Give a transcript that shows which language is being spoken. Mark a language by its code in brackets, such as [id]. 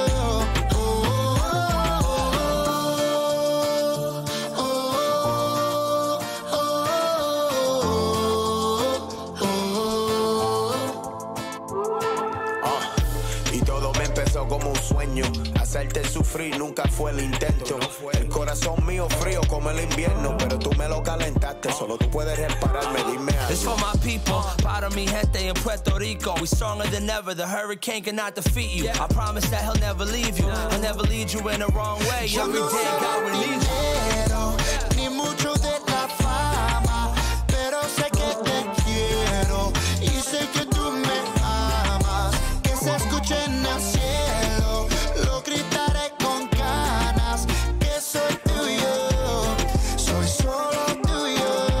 [es] Oh, oh, oh, oh, oh, oh, oh, oh, oh, oh, oh, oh. Y todo me empezó como un sueño. Hacerte sufrir nunca fue el intento. El corazón mío frío como el invierno, pero tú me lo calentaste. Solo tú puedes repararme, dime algo. [en] It's for my people, [es] para mi gente en Puerto Rico. [en] We stronger than ever, the hurricane cannot defeat you. I promise that he'll never leave you. He'll never lead you in the wrong way. [es] Yo no sé de dinero, ni mucho de la fama, pero sé que te quiero y sé que tú me amas. Que se escuche en el cielo, lo gritaré con ganas, que soy tuyo, soy solo tuyo.